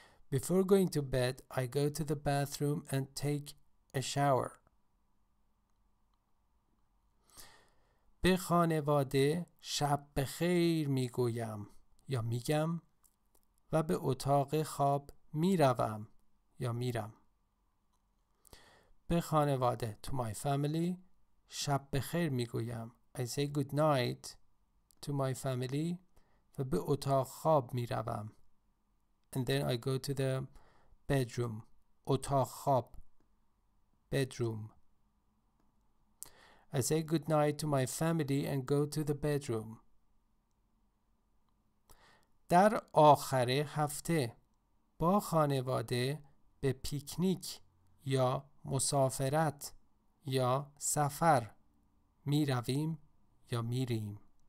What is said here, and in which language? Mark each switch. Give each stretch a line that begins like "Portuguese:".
English: Before going to bed, I go to the bathroom and take a shower.
Persian: به خانواده شب بخیر میگویم یا میگم و به اتاق خواب میروم یا میرم. به خانواده
English: to my family
Persian: شب بخیر میگویم.
English: I say good night to my family
Persian: و به اتاق خواب میروم.
English: And then I go to the bedroom.
Persian: اتاق خواب.
English: Bedroom. I say good night to my family and go to the bedroom.
Persian: در آخر هفته با خانواده به پیکنیک یا مسافرت یا سفر می رویم یا می ریم.